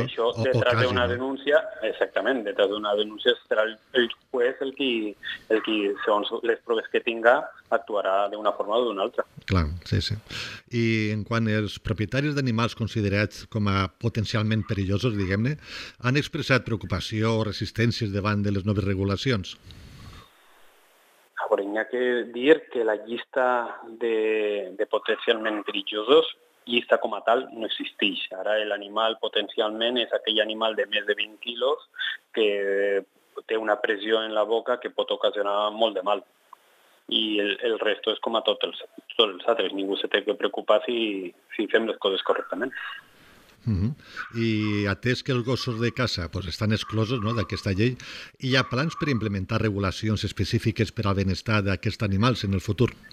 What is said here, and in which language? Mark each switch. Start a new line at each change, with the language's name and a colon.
Catalan: Això, detrás d'una denúncia, exactament, detrás d'una denúncia serà el juez el qui, segons les proves que tinga, actuarà d'una forma o d'una altra. Clar, sí, sí. I en quant als propietaris d'animals considerats com a potencialment perillosos, diguem-ne, han expressat preocupació o resistències davant de les noves regulacions?
Spanish: Ahora, hay que decir que la lista de potencialmente perillosos, lista como tal, no existe. Ahora el animal potencialmente es aquel animal de más de 20 kilos que tiene una presión en la boca que puede ocasionar mucho de mal.
Catalan: i el resto és com a tot els altres. Ningú se té que preocupar si fem les coses correctament. I atès que els gossos de caça pues, estan exclosos, no, d'aquesta llei, hi ha plans per implementar regulacions específiques per al benestar d'aquests animals en el futur?